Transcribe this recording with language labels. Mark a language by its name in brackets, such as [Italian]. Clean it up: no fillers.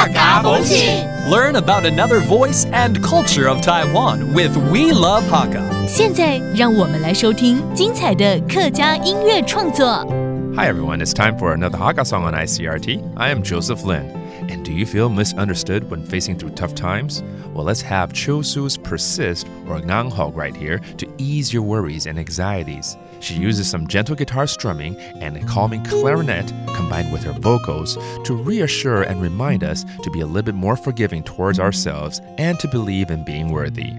[English] Learn about another voice and culture of Taiwan with We Love Hakka. [Chinese] 现在让我们来收听精彩的客家音乐创作。 [English] Hi everyone, it's time for another Hakka song on ICRT. I am Joseph Lin. And do you feel misunderstood when facing through tough times? Well, let's have Chiu Su's Persist or Ngang Hog right here to ease your worries and anxieties. She uses some gentle guitar strumming and a calming clarinet combined with her vocals to reassure and remind us to be a little bit more forgiving towards ourselves and to believe in being worthy.